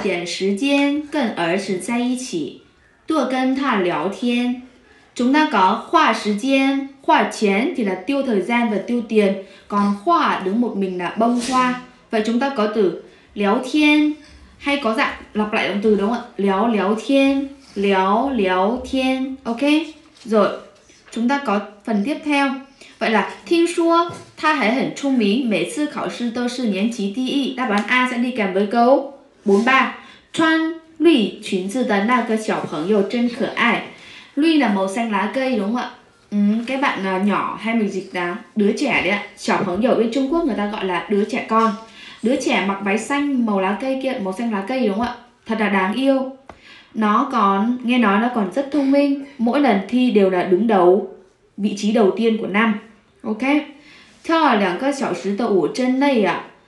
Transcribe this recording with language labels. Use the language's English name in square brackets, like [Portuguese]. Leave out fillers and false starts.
[Chinese] 你该多花点时间跟儿子在一起. 多跟他聊天. [Vietnamese] Chúng ta có [Chinese] 花时间, 花钱 [Vietnamese] thì là tiêu thời gian và tiêu tiền. Còn 花 đứng một mình là bông hoa. Vậy chúng ta có từ 聊天 hay có dạng lặp lại động từ đúng không ạ? [Chinese] 聊聊天, 聊聊天.Ok. [Vietnamese] Rồi, chúng ta có phần tiếp theo. Vậy là, [Chinese] 听说他还很聪明,每次考试都是年级第一. [Vietnamese] Đáp án A sẽ đi kèm với câu 43. [Chinese] 穿绿裙子的那个小朋友真可爱. [Vietnamese] Lü là màu xanh lá cây, đúng không ạ? Ừ, cái bạn nhỏ hay mình dịch là đứa trẻ đấy ạ. Xiao peng you bên Trung Quốc người ta gọi là đứa trẻ con. Đứa trẻ mặc váy xanh màu lá cây kia, màu xanh lá cây, đúng không ạ? Thật là đáng yêu. Nó còn, nghe nói nó còn rất thông minh. Mỗi lần thi đều là đứng đầu vị trí đầu tiên của năm. Ok. [Chinese] 跳了两个小时的舞真累啊.